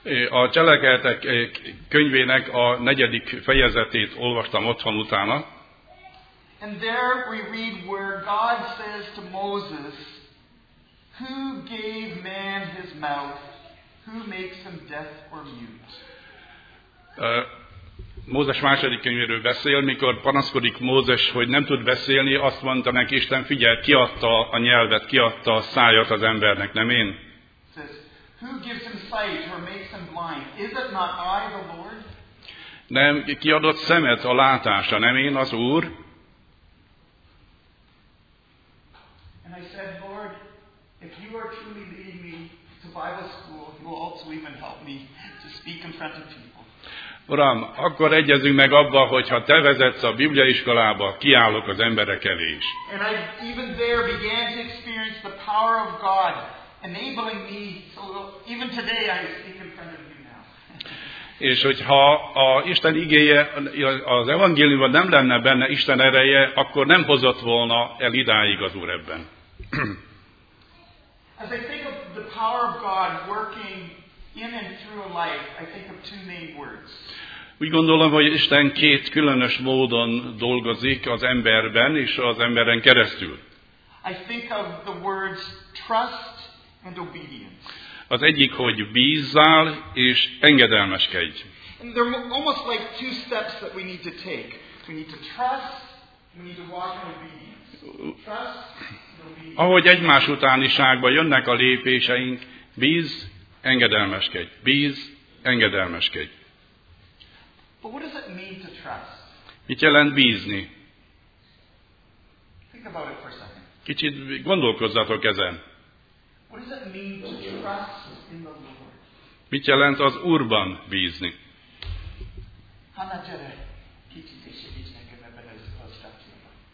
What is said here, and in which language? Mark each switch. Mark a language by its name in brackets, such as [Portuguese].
[Hungarian] A Cselekedetek könyvének a negyedik fejezetét olvastam otthon utána. [English] And there we read where God says to Moses, who gave man his mouth? Who makes him deaf or mute? [Hungarian] Mózes második könyvéről beszél, mikor panaszkodik Mózes, hogy nem tud beszélni, azt mondta neki Isten, figyelj, kiadta a nyelvet, kiadta a szájat az embernek, nem én? [English] Says, who gives him sight or makes him blind? Is it not I, the Lord? [Hungarian] Nem, ki adott szemet a látásra, nem én, az Úr? [English] And I said, Lord, if you are truly leading me to Bible school, you will also even help me to speak in front of people. [Hungarian] Uram, akkor egyezünk meg abba, hogy ha te vezetsz a bibliaiskolába, kiállok az emberek elé is. [English] And I even there began to experience the power of God enabling me, so even today I speak in front of you now. [Hungarian] És hogyha a Isten igéje az evangéliumban nem lenne benne Isten ereje, akkor nem hozott volna el idáig az Úr ebben. [English] As I think of the power of God working in and through a life, I think of two main words. [Hungarian] Úgy gondolom, hogy Isten két különös módon dolgozik az emberben és az emberen keresztül. [English] I think of the words trust and obedience. [Hungarian] Az egyik, hogy bízzál és engedelmeskedj. [English] And they're almost like two steps that we need to take. We need to trust, we need to walk in obedience. Trust. [Hungarian] Ahogy egymás utániságban jönnek a lépéseink, bíz, engedelmeskedj, bíz, engedelmeskedj. [English] But what does it mean to trust? [Hungarian] Mit jelent bízni? [English] Think about it for a second. [Hungarian] Kicsit gondolkozzatok ezen. [English] What does it mean to trust in the Lord? [Hungarian] Mit jelent az Úrban bízni? Hanna, gyere, kicsit is segíts nekem ebben az osztatjában.